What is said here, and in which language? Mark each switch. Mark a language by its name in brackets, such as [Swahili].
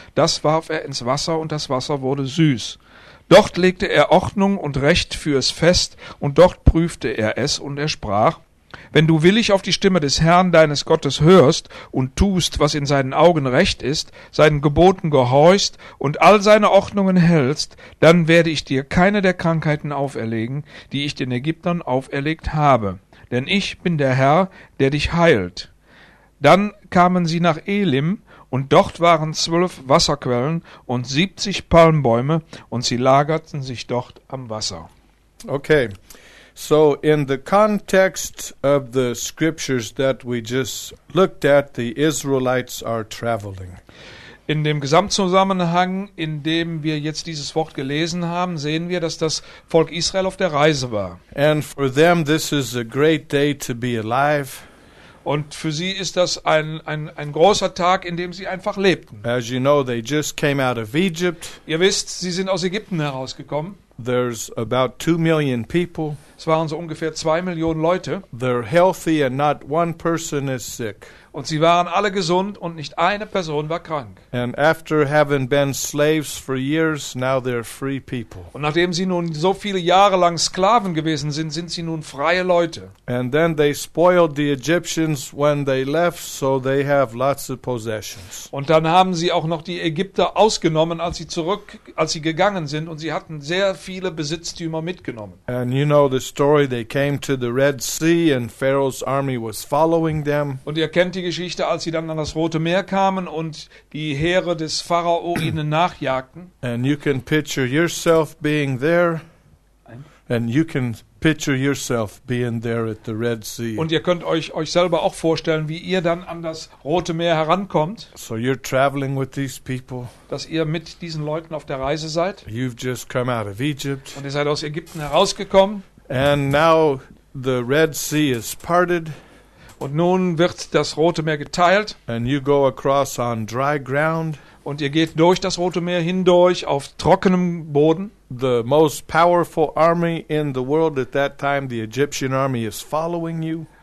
[German] Das warf er ins Wasser, und das Wasser wurde süß. Dort legte er Ordnung und Recht fürs Fest, und dort prüfte er es, und er sprach, wenn du willig auf die Stimme des Herrn, deines Gottes, hörst und tust, was in seinen Augen recht ist, seinen Geboten gehorchst und all seine Ordnungen hältst, dann werde ich dir keine der Krankheiten auferlegen, die ich den Ägyptern auferlegt habe, denn ich bin der Herr, der dich heilt. Dann kamen sie nach Elim, und dort waren 12 Wasserquellen und 70 Palmbäume, und sie lagerten sich dort am Wasser. [English] Okay, so in the context of the scriptures that we just looked at, the Israelites are traveling. [German] In dem Gesamtzusammenhang, in dem wir jetzt dieses Wort gelesen haben, sehen wir, dass das Volk Israel auf der Reise war. [English] And for them this is a great day to be alive. [German] Und für sie ist das ein großer Tag, in dem sie einfach lebten. [English] As you know, they just came out of Egypt. [German] Ihr wisst, sie sind aus Ägypten herausgekommen. [English] There's about 2 million people. [German] Es waren so ungefähr 2 Millionen Leute. [English] They're healthy and not one person is sick. [German] Und sie waren alle gesund und nicht eine Person war krank. [English] And after having been slaves for years, now they're free people. [German] Und nachdem sie nun so viele Jahre lang Sklaven gewesen sind, sind sie nun freie Leute. [English] And then they spoiled the Egyptians when they left, so they have lots of possessions. [German] Und dann haben sie auch noch die Ägypter ausgenommen, als sie gegangen sind, und sie hatten sehr viele Besitztümer mitgenommen. [English] And you know the story, they came to the Red Sea and Pharaoh's army was following them. [German] Und ihr kennt die Geschichte, als sie dann an das Rote Meer kamen und die Heere des Pharao ihnen nachjagten. [English] And you can picture yourself being there. And you can picture yourself being there at the Red Sea. [German] Und ihr könnt euch selber auch vorstellen, wie ihr dann an das Rote Meer herankommt. [English] So you're traveling with these people. [German] Dass ihr mit diesen Leuten auf der Reise seid. [English] You've just come out of Egypt. [German] Und ihr seid aus Ägypten herausgekommen. [English] And now the Red Sea is parted. [German] Und nun wird das Rote Meer geteilt. [English] And you go across on dry ground. [German] Und ihr geht durch das Rote Meer hindurch auf trockenem Boden. [English] The most powerful army in the world at that time, the Egyptian army, is following you.